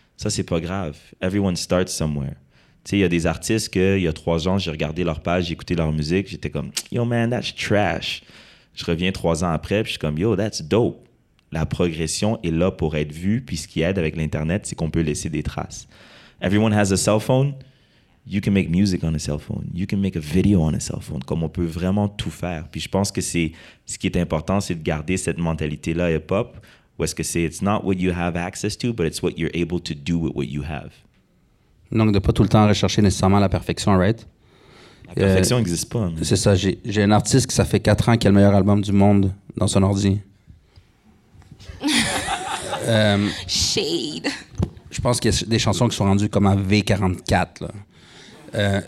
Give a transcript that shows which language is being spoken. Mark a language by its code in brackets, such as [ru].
[fr] Ça, c'est pas grave. [en] Everyone starts somewhere. [fr] Tu sais, il y a des artistes que, il y a 3 ans, j'ai regardé leur page, j'ai écouté leur musique, j'étais comme, [en] yo man, that's trash. [fr] Je reviens 3 ans après, puis je suis comme, [en] yo, that's dope. [fr] La progression est là pour être vue, puis ce qui aide avec l'Internet, c'est qu'on peut laisser des traces. [en] Everyone has a cell phone. You can make music on a cell phone. You can make a video on a cell phone. [fr] Comme on peut vraiment tout faire. Puis je pense que c'est ce qui est important, c'est de garder cette mentalité-là hip-hop. Ou est-ce que c'est [en] « it's not what you have access to, but it's what you're able to do with what you have ». [fr] Donc, de ne pas tout le temps rechercher nécessairement la perfection, right? La perfection n'existe pas. Mais... C'est ça. J'ai un artiste qui, ça fait 4 ans, qui a le meilleur album du monde dans son ordi. Shade! Je pense qu'il y a des chansons qui sont rendues comme à V44. Là.